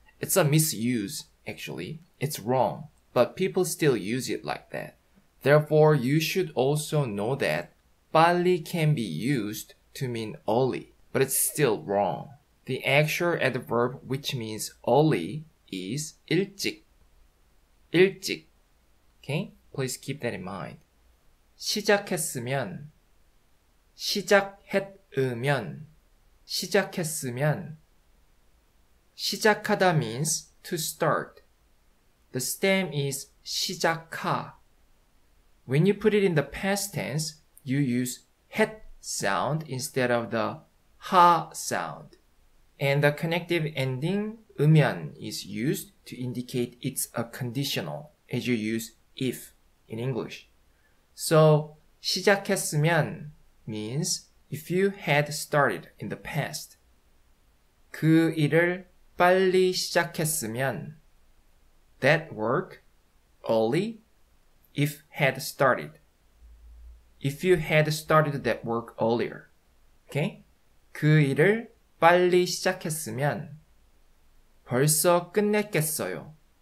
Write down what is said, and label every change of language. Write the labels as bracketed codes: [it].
[en] It's a misuse, actually. It's wrong. But people still use it like that. Therefore, you should also know that 빨리 can be used to mean early, but it's still wrong. The actual adverb which means early is 일찍. 일찍. Okay? Please keep that in mind. [ko] 시작했으면, 시작했으면, 시작했으면. [en] 시작하다 means to start. The stem is 시작하. When you put it in the past tense, you use 했 sound instead of the 하 sound. And the connective ending 으면 is used to indicate it's a conditional, as you use if in English. So 시작했으면 means if you had started in the past. [ko] 그 일을 빨리 시작했으면, [en] that work early, if had started. If you had started that work earlier, okay? [ko] 그 일을 빨리 시작했으면 벌써 끝냈겠어요.